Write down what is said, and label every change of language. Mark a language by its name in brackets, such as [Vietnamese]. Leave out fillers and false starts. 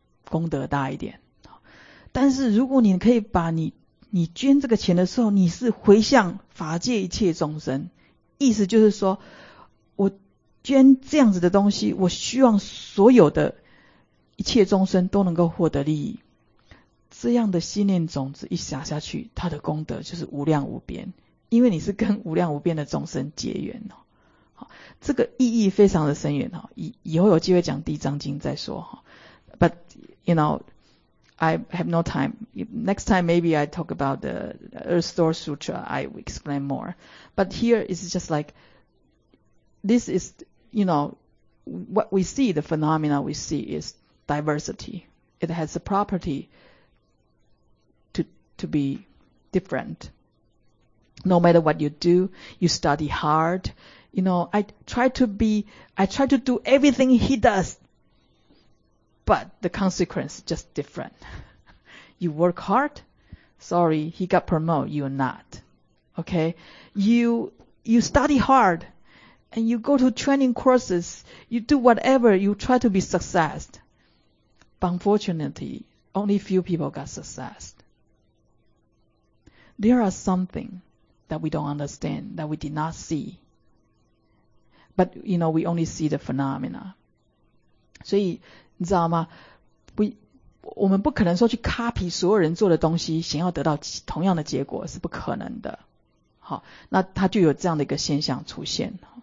[Chinese] 功德大一点，但是如果你可以把你捐这个钱的时候，你是回向法界一切众生，意思就是说，我捐这样子的东西，我希望所有的一切众生都能够获得利益，这样的信念种子一撒下去，它的功德就是无量无边，因为你是跟无量无边的众生结缘哦。好，这个意义非常的深远哦。以后有机会讲地藏经再说哈。 [English] But you know, I have no time. Next time maybe I talk about the Earth Store Sutra. I will explain more. But here is just like this is you know what we see. The phenomena we see is diversity. It has the property to be different. No matter what you do, you study hard. You know, I try to do everything he does, but the consequence is just different. You work hard, sorry, he got promoted, you are not. Okay? You study hard, and you go to training courses, you do whatever, you try to be successful. But unfortunately, only few people got success. There are something that we don't understand, that we did not see. But, you know, we only see the phenomena. [Chinese] 所以你知道吗？我们不可能说去 copy 所有人做的东西，想要得到同样的结果是不可能的。好，那它就有这样的一个现象出现。